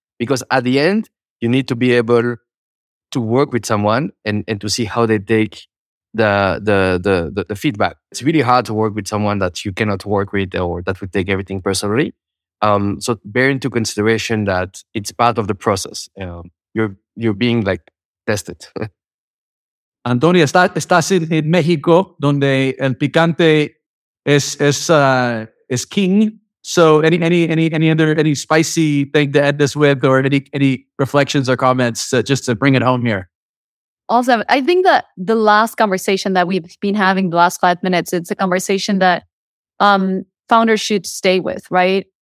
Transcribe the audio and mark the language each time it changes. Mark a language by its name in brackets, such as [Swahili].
[English] Because at the end, you need to be able to work with someone and to see how they take the feedback. It's really hard to work with someone that you cannot work with or that would take everything personally. So bear into consideration that it's part of the process. You're being like tested. [Spanish] Antonio, estás en México, donde el picante es king. [English] So any spicy thing to end this with, or any reflections or comments just to bring it home here? Awesome. I think that the last conversation that we've been having the last 5 minutes, it's a conversation that founders should stay with, right?